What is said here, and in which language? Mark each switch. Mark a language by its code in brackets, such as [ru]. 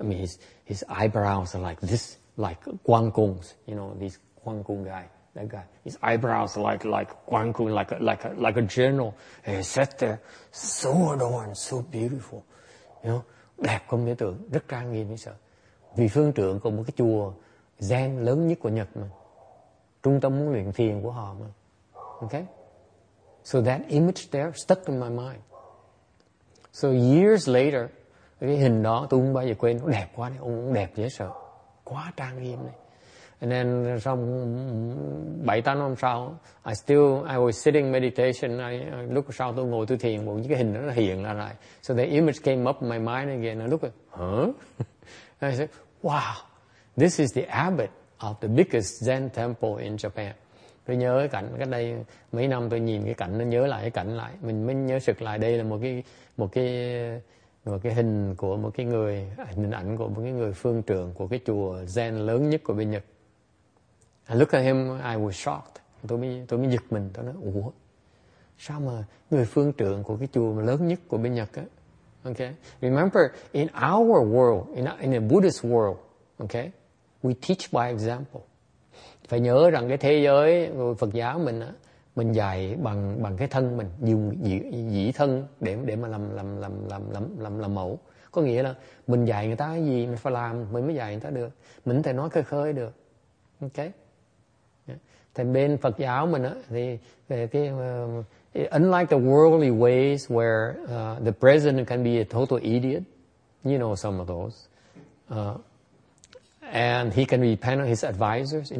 [en] I mean, his eyebrows are like this, like Quang Kung's, you know, this Quang Kung guy, that guy. His eyebrows are like Quang Kung, like a general. And he sat there, so adorned, so beautiful. [vi] You know, đẹp không thể tưởng, rất trang nghiêm như sợ. Vì phương trưởng của một cái chùa Zen lớn nhất của Nhật mà. Trung tâm huấn luyện thiền của họ mà. [en] Okay? So that image there stuck in my mind. So years later, [vi] cái hình đó tôi không bao giờ quên, nó đẹp quá đấy, ông đẹp dễ sợ, quá trang nghiêm này. [en] And then [vi] xong 7-8 năm sau, [en] I was sitting meditation, [vi] lúc sau tôi ngồi tôi thiền, một cái hình đó nó hiện ra lại. [en] So the image came up in my mind again, and I looked, huh? And I said, wow, this is the abbot of the biggest Zen temple in Japan. [vi] Tôi nhớ cái cảnh, cách đây mấy năm tôi nhìn cái cảnh, nó nhớ lại cái cảnh lại, mình mới nhớ sực lại đây là một cái hình của một cái người, hình ảnh của một cái người phương trưởng của cái chùa Zen lớn nhất của bên Nhật. [en] I look at him, I was shocked. [vi] Tôi mới giật mình, tôi nói, ủa, sao mà người phương trưởng của cái chùa lớn nhất của bên Nhật á? [en] Okay. Remember, in our world, in the Buddhist world, okay, we teach by example. [vi] Phải nhớ rằng cái thế giới Phật giáo mình á, mình dạy bằng cái thân mình, dùng dĩ thân để mà làm mẫu. Có nghĩa là mình dạy người ta cái gì mình phải làm, mình mới dạy người ta được, mình thể nói khơi khơi được. Ok, thì bên Phật giáo mình á, thì cái [en] unlike the worldly ways where the president can be a total idiot, you know, some of those, and he can depend on his advisors.